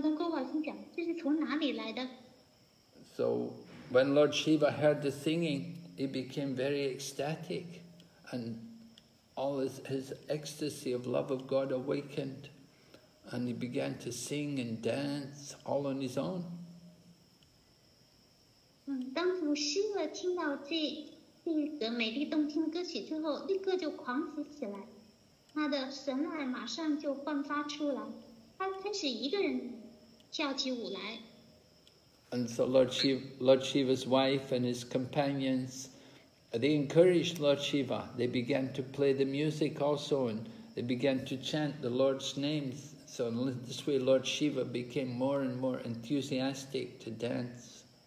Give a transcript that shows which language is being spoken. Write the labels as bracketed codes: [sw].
[zh] 当他们休息的时候，可以听到动听的歌曲，美丽动听的歌曲，还有很美优美的曲调。那他郭宝心想，这是从哪里来的？ [en] So when Lord Shiva heard the singing, he became very ecstatic, and all his ecstasy of love of God awakened. And he began to sing and dance all on his own. [zh] 当主Shiva听到这个美丽动听歌曲之后，立刻就狂喜起来，他的神爱马上就焕发出来，他开始一个人跳起舞来。 [en] And so Lord Shiva's wife and his companions, they encouraged Lord Shiva. They began to play the music also, and they began to chant the Lord's names. So in this way, Lord Shiva became more and more enthusiastic to dance.